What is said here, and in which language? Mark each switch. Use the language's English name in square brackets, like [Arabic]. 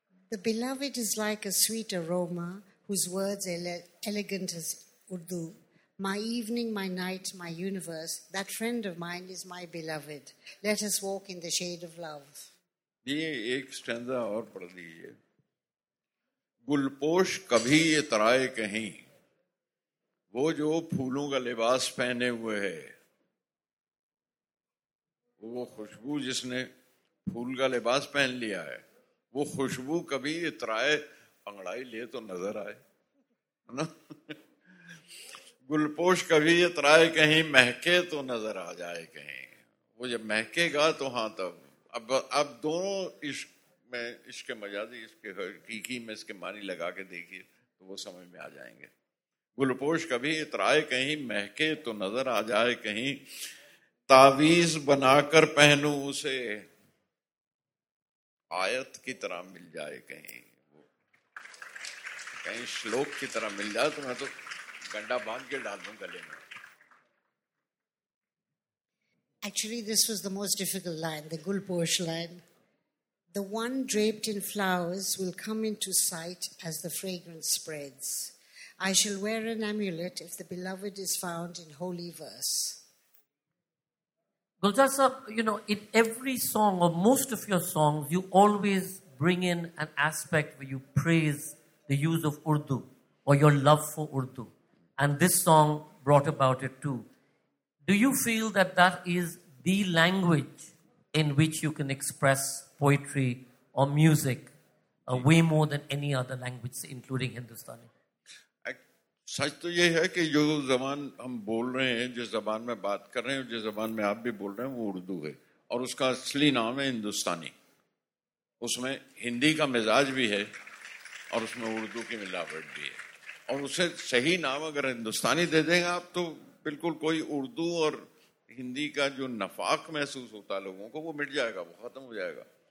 [English] The beloved is like a sweet aroma whose words are elegant as Urdu. My evening, my night, my universe, that friend of mine is my beloved. Let us walk in the shade of love. [Urdu] یہ ایک سٹینزہ اور پڑھ لیجئے. گل پوش کبھی یہ ترائے کہیں وہ جو پھولوں کا لباس پہنے ہوئے ہے وہ خوشبو جس نے پھول کا لباس پہن لیا ہے وہ خوشبو کبھی اترائے پنگڑائی لے تو نظر آئے نا گل پوش کبھی اترائے کہیں مہکے تو نظر آ جائے کہیں وہ جب مہکے گا تو ہاں تب اب دونوں عشق میں عشق مجازی اس کے حقیقی میں اس کے معنی لگا کے دیکھیے تو وہ سمجھ میں آ جائیں گے گل پوش کبھی اترائے کہیں مہکے تو نظر آ جائے کہیں تعویز بنا کر پہنوں اسے آیت کی طرح مل جائے کہیں کہیں شلوک کی طرح مل جائے تو میں تو گنڈا باندھ کے ڈال دوں گلے میں [English] Actually, this was the most difficult line, the Gulpoosh line. The one draped in flowers will come into sight as the fragrance spreads. I shall wear an amulet if the beloved is found in holy verse. Gulzar Saheb, you know, in every song or most of your songs, you always bring in an aspect where you praise the use of Urdu or your love for Urdu. And this song brought about it too. Do you feel that that is the language in which you can express poetry or music way more than any other language, including Hindustani? [Urdu] سچ تو یہ ہے کہ جو زبان ہم بول رہے ہیں جس زبان میں بات کر رہے ہیں جس زبان میں آپ بھی بول رہے ہیں وہ اردو ہے اور اس کا اصلی نام ہے ہندوستانی اس میں ہندی کا مزاج بھی ہے اور اس میں اردو کی ملاوٹ بھی ہے اور اسے صحیح نام اگر ہندوستانی دے دیں گے آپ تو بالکل کوئی اردو اور ہندی کا جو نفاق محسوس ہوتا ہے لوگوں کو وہ مٹ جائے گا وہ ختم ہو جائے گا